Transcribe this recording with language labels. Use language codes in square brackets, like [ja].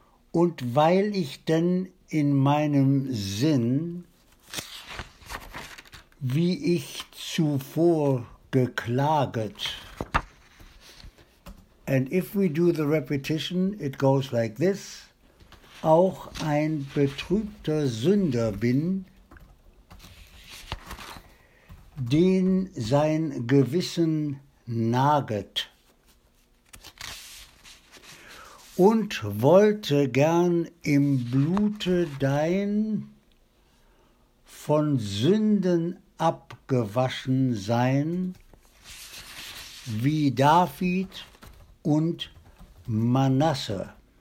[de] Und weil ich denn in meinem Sinn, wie ich zuvor geklaget. [en] And if we do the repetition, it goes like this. [de] Auch ein betrübter Sünder bin, den sein Gewissen naget. Und wollte gern im Blute dein von Sünden abgewaschen sein, wie David und Manasse.